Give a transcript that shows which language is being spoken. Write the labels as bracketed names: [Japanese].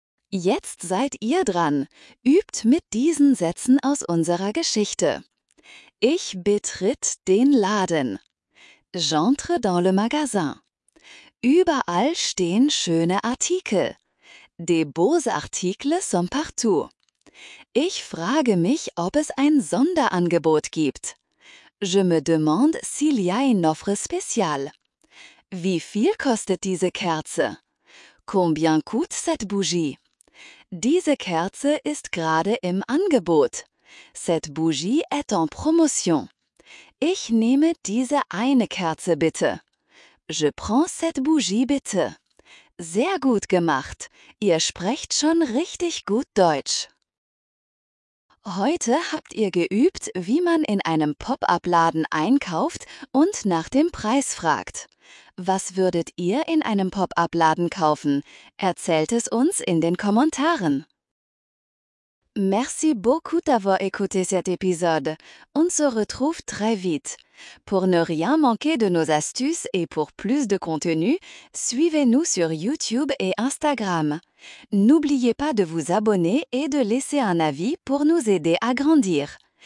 [German] Jetzt seid ihr dran. Übt mit diesen Sätzen aus unserer Geschichte. Ich betritt den Laden. [French] J'entre dans le magasin. [German] Überall stehen schöne Artikel. [French] Des beaux articles sont partout. [German] Ich frage mich, ob es ein Sonderangebot gibt. [French] Je me demande s'il y a une offre spéciale. [German] Wie viel kostet diese Kerze? [French] Combien coûte cette bougie? [German] Diese Kerze ist gerade im Angebot. [French] Cette bougie est en promotion. [German] Ich nehme diese eine Kerze bitte. [French] Je prends cette bougie [German] bitte. Sehr gut gemacht. Ihr sprecht schon richtig gut Deutsch. Heute habt ihr geübt, wie man in einem Pop-up-Laden einkauft und nach dem Preis fragt. Was würdet ihr in einem Pop-up-Laden kaufen? Erzählt es uns in den Kommentaren. [French] Merci beaucoup d'avoir écouté cet épisode. On se retrouve très vite. Pour ne rien manquer de nos astuces et pour plus de contenu, suivez-nous sur YouTube et Instagram. N'oubliez pas de vous abonner et de laisser un avis pour nous aider à grandir.